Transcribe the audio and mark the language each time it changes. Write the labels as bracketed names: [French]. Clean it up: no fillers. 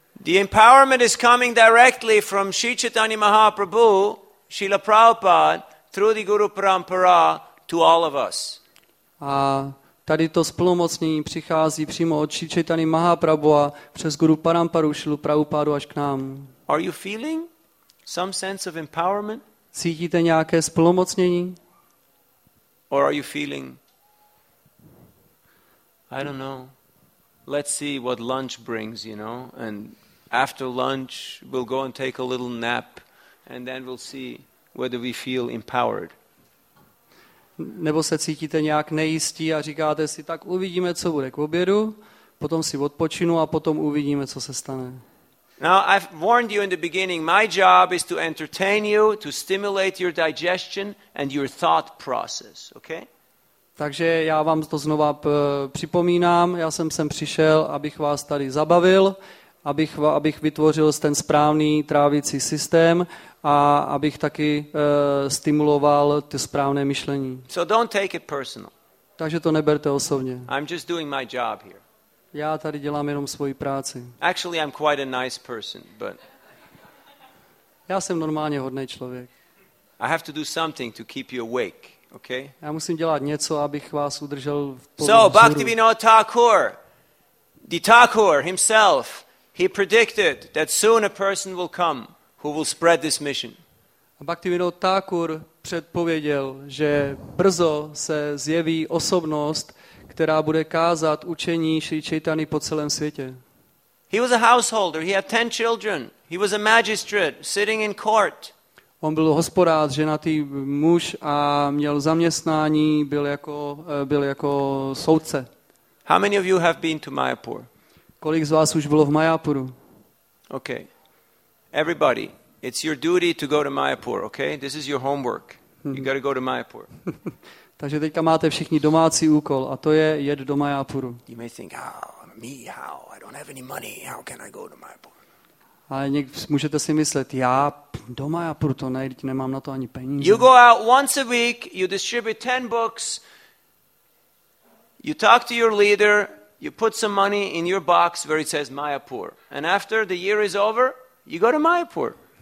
[English] The empowerment is coming directly from Sri Chaitanya Mahaprabhu, Srila Prabhupada, through the Guru Parampara to all of us. [Czech] A tady to splnomocnění přichází přímo od Sri Chaitany Mahaprabhu a přes Guru Paramparu, Šilu Prabhupádu až k nám. [English] Are you feeling some sense of empowerment? [Czech] Cítíte nějaké splnomocnění? [English] Or are you feeling, I don't know, let's see what lunch brings, you know, and after lunch we'll go and take a little nap and then we'll see whether we feel empowered. [Czech] Nebo se cítíte nějak nejistí a říkáte si, tak uvidíme, co bude k obědu, potom si odpočinu a potom uvidíme, co se stane. [English] Now I've warned you in the beginning, my job is to entertain you, to stimulate your digestion and your thought process, okay? [Czech] Takže já vám to znova připomínám, já jsem sem přišel, abych vás tady zabavil, abych vytvořil ten správný trávicí systém a abych taky stimuloval ty správné myšlení. [English] So don't take it personal. [Czech] Takže to neberte osobně. [English] I'm just doing my job here. [Czech] Já tady dělám jenom svoji práci. [English] Actually, I'm quite a nice person, but [Czech] já jsem normálně hodný člověk. [English] I have to do something to keep you awake, okay? [Czech] Já musím dělat něco, abych vás udržel v pohodě. [English] So, Bhaktivinoda Thakur, the Thakur himself, he predicted that soon a person will come who will spread this mission. [Czech] Bhaktivinoda Thakur předpověděl, že brzo se zjeví osobnost, která bude kázat učení Sri Chaitany po celém světě. [English] He was a householder, he had 10 children. He was a magistrate sitting in court. [Czech] On byl hospodář, ženatý muž a měl zaměstnání, byl jako soudce. [English] How many of you have been to Mayapur? [Czech] Kolik z vás už bylo v Mayapuru? [English] Okay. Everybody, it's your duty to go to Mayapur, okay? This is your homework. You got to go to Mayapur. [Czech] Takže teďka máte všichni domácí úkol a to je jet do Mayapuru. [English] You may think, how? Me, how? I don't have any money. How can I go to Mayapur? [Czech] Ale můžete si myslet, já do Mayapuru to nejde, nemám na to ani peníze. [English] You go out once a week, you distribute 10 books, you talk to your leader, you put some money in your box where it says Mayapur. And after the year is over, you go to Mayapur.